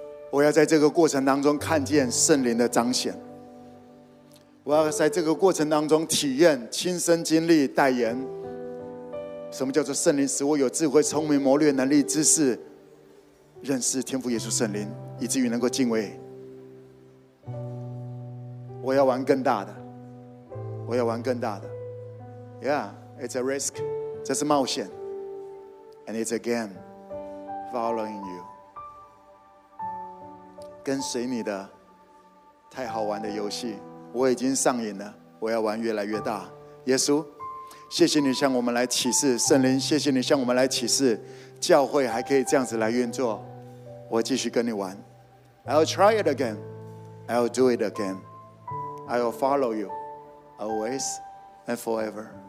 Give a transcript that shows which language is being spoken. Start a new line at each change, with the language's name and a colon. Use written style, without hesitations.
Chinese: 我要在这个过程当中看见圣灵的彰显，我要在这个过程当中体验亲身经历代言什么叫做圣灵，使我有智慧聪明谋略能力知识认识天父耶稣圣灵，以至于能够敬畏。我要玩更大的，我要玩更大的。
English: Yeah it's a risk，
Chinese: 这是冒险。
English: And it's a game following you，
Chinese: 跟随你的太好玩的游戏，我已经上瘾了，我要玩越来越大。耶稣谢谢你向我们来启示，圣灵谢谢你向我们来启示，教会还可以这样子来运作，我继续跟你玩。
English: I'll try it again. I'll do it again. I'll follow you always and forever.